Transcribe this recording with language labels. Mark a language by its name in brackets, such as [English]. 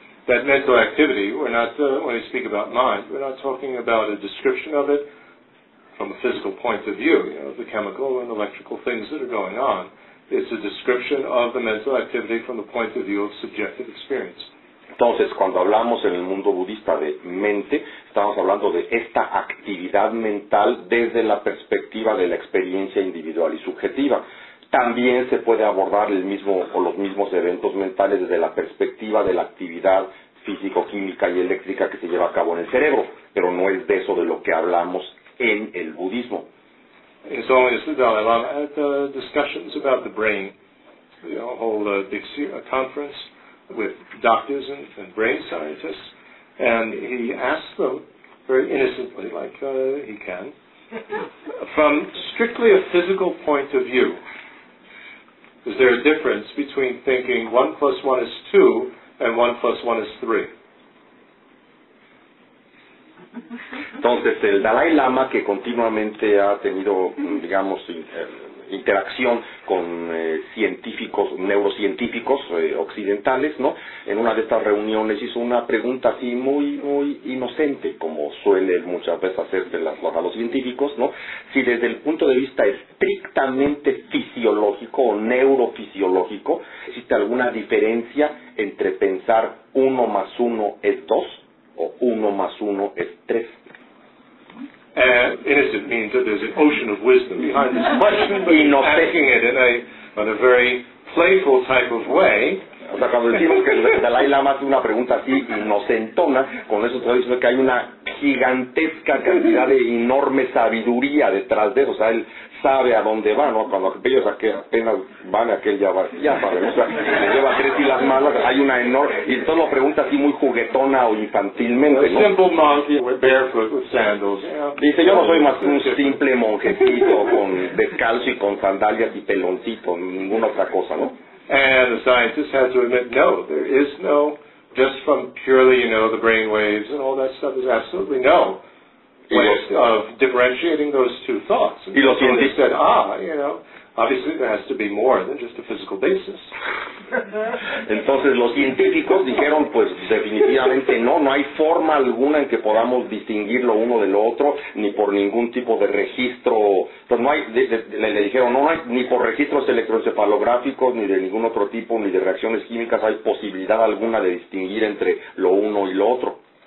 [English] That mental activity, we're not when we speak about mind, we're not talking about a description of it from a physical point of view, you know, the chemical and electrical things that are going on. It's a description of the mental activity from the point of view of subjective experience. [Spanish] Entonces, cuando hablamos en el mundo budista de mente, estamos hablando de esta actividad mental desde la perspectiva de la experiencia individual y subjetiva. También se puede abordar el mismo o los mismos eventos mentales desde la perspectiva de la actividad físico-química y eléctrica que se lleva a cabo en el cerebro, pero no es de eso de lo que hablamos en el budismo. [English] It's only the Dalai Lama at the discussions about the brain. They hold a big conference with doctors and brain scientists, and he asks them very innocently, like he can, from strictly a physical point of view. Is there a difference between thinking 1 plus 1 is 2 and 1 plus 1 is 3? [Spanish] Entonces, el Dalai Lama, que continuamente ha tenido, digamos, interacción con científicos, neurocientíficos occidentales, ¿no? En una de estas reuniones hizo una pregunta así muy, muy inocente, como suele muchas veces hacerse a los científicos, ¿no? Si desde el punto de vista estrictamente fisiológico o neurofisiológico, ¿existe alguna diferencia entre pensar 1 más 1 es 2 o 1 más 1 es 3? [English] Innocent means that there's an ocean of wisdom behind this question, but you're asking it in a very playful type of way. [Spanish] O sea, cuando decimos que el Dalai Lama hace una pregunta así inocentona, con eso estoy diciendo que hay una gigantesca cantidad de enorme sabiduría detrás de eso. O sea, él sabe a dónde va, ¿no? Cuando ellos apenas van a aquel ya va, o sea, le lleva tres y las malas, hay una enorme... Y entonces lo pregunta así muy juguetona o infantilmente, ¿no? [English] A simple monkey with barefoot with sandals. [Spanish] Dice, yo no soy más que un simple monjecito con descalzo y con sandalias y peloncito, ninguna otra cosa, ¿no? [English] And the scientist had to admit, no, there is no, just from purely, you know, the brain waves and all that stuff, there's absolutely no way of differentiating those two thoughts. And so he said, you know, obviously there has to be more than just a physical basis. [Spanish] Entonces los científicos dijeron, pues definitivamente no hay forma alguna en que podamos distinguir lo uno del otro, ni por ningún tipo de registro. Entonces, le dijeron, no hay ni por registros electroencefalográficos, ni de ningún otro tipo, ni de reacciones químicas, hay posibilidad alguna de distinguir entre lo uno y lo otro.